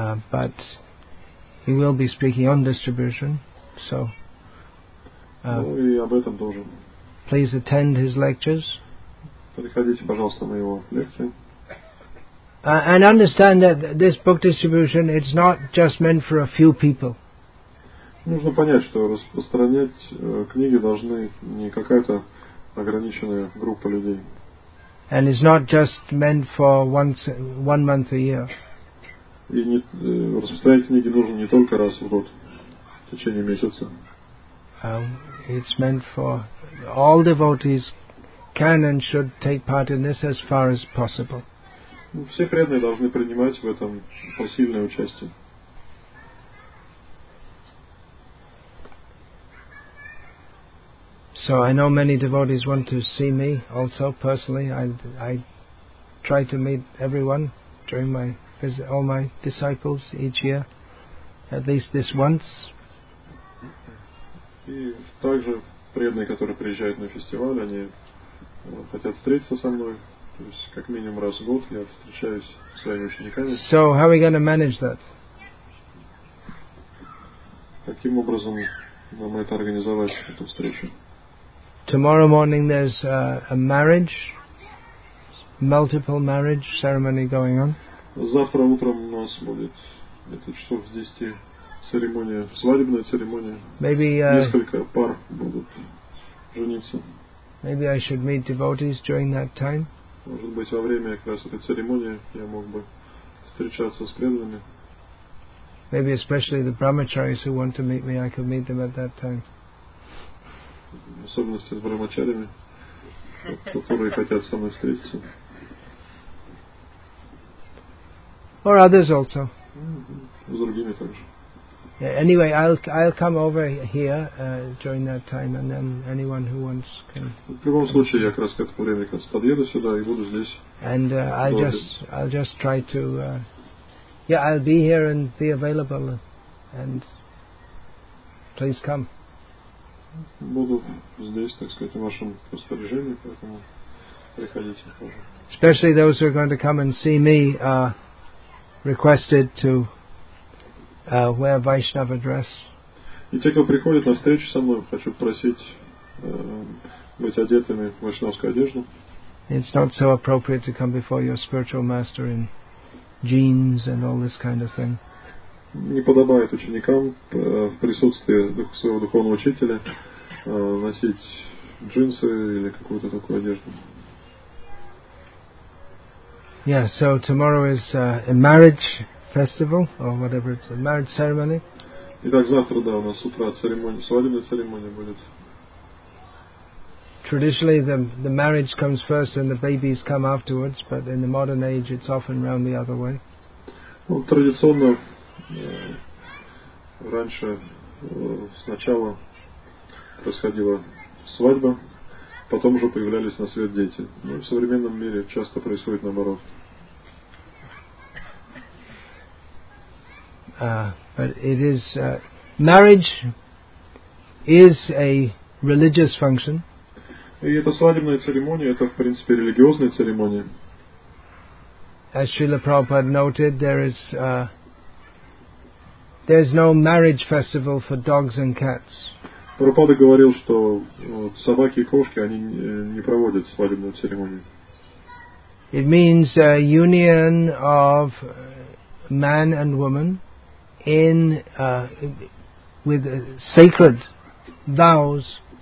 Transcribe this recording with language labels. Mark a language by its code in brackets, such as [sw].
[en] But he will be speaking on distribution, so. [ru] Ну и об этом тоже. [en] Please attend his lectures. [ru] Приходите, пожалуйста, на его лекции. [en] And understand that this book distribution, it's not just meant for a few people. [ru] Нужно понять, что распространять книги должны не какая-то ограниченная группа людей. [en] And it's not just meant for one month a year. [ru] И распространять книги нужно не только раз в год, в течение месяца. [en] It's meant for all devotees can and should take part in this as far as possible. [ru] Все преданные должны принимать в этом пассивное участие. [en] So I know many devotees want to see me also personally. I try to meet everyone during my visit, all my disciples each year, at least this once. [ru] И также преданные, которые приезжают на фестиваль, они хотят встретиться со мной. То есть как минимум раз в год я встречаюсь с своими учениками. [en] So how are we going to manage that? [ru] Каким образом нам это организовать, эту встречу? [en] Tomorrow morning there's a marriage, multiple marriage ceremony going on. [ru] Завтра утром у нас будет где-то часов с 10 церемония, свадебная церемония. [en] Maybe [ru] несколько пар будут жениться. [en] Maybe I should meet devotees during that time. [ru] Может быть, во время как раз этой церемонии я мог бы встречаться с преданными. [en] Maybe especially the brahmacharis who want to meet me, I could meet them at that time. [ru] В особенности с брахмачарями, которые хотят со мной встретиться. [en] Or others also. [ru] С другими также. [en] Yeah, anyway, I'll come over here during that time, and then anyone who wants can. [ru] В любом случае, я как раз к этому времени как раз подъеду сюда и буду здесь. [en] And I'll just try to, I'll be here and be available, and please come. [ru] Буду здесь, так сказать, в вашем распоряжении, поэтому приходите тоже. [en] Especially those who are going to come and see me are requested to wear Vaishnava dress. [ru] И те, кто приходит на встречу со мной, хочу просить быть одетыми в вайшнавскую одежду. [en] It's not so appropriate to come before your spiritual master in jeans and all this kind of thing. [ru] Не подобает ученикам в присутствии своего духовного учителя носить джинсы или какую-то такую одежду. [en] Yeah, so tomorrow is a marriage festival or whatever it's a marriage ceremony. [ru] Итак, завтра, да, у нас с утра церемония, свадебная церемония будет. [en] Traditionally the marriage comes first and the babies come afterwards, but in the modern age it's often round the other way. [ru] Ну, традиционно раньше сначала происходила свадьба, потом уже появлялись на свет дети. Но в современном мире часто происходит наоборот. [en] But it is marriage is a religious function. [ru] И эта свадебная церемония, это в принципе религиозная церемония. [en] As Srila Prabhupada noted, there's no marriage festival for dogs and cats. [ru] Прабхупада говорил, что собаки и кошки, они не проводят свадебную церемонию. [en] It means a union of man and woman in with sacred vows.